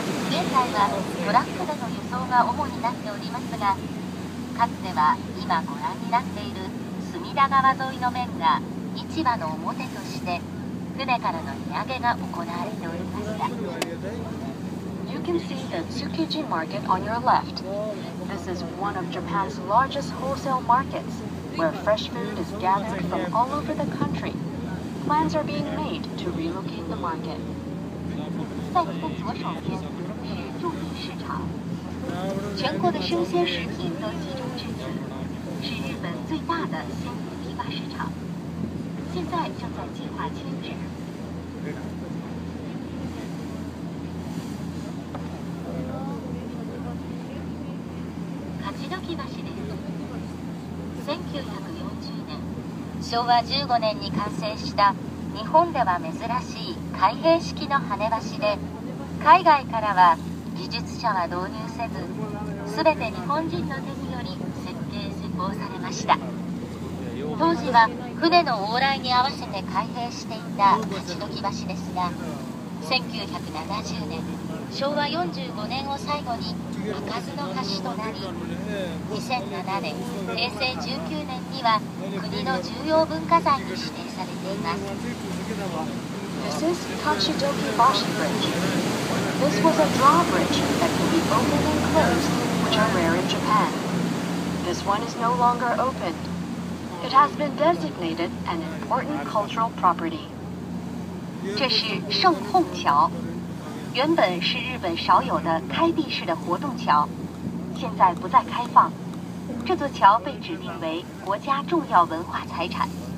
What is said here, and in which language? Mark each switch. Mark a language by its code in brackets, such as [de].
[ja] 現在はトラックでの輸送が主になっておりますが、かつては今ご覧になっている隅田川沿いの面が市場の表として船からの荷揚げが行われておりました。 [en] You can see the Tsukiji Market on your left. This is one of Japan's largest wholesale markets, where fresh food is gathered from all over the country. Plans are being made to relocate the market. [zh] 在你的左手边是筑地市场，全国的生鲜食品都集中聚集。是日本最大的鲜鱼批发市场，现在正在计划迁址。 [ja] 勝どき橋です。 1940年昭和15年に完成した日本では珍しい開閉式の羽橋で、海外からは技術者は導入せず、すべて日本人の手により施工されました。当時は船の往来に合わせて開閉していた勝どき橋ですが、1970年、昭和45年を最後に開かずの橋となり、2007年、平成19年には国の重要文化財に指定されています。 [en] This is Kachidoki Bashi Bridge. This was a drawbridge that can be opened and closed, which are rare in JapanThis one is no longer opened. It has been designated an important cultural property. [zh] 这是圣控桥，原本是日本少有的开闭式的活动桥，现在不再开放。这座桥被指定为国家重要文化财产。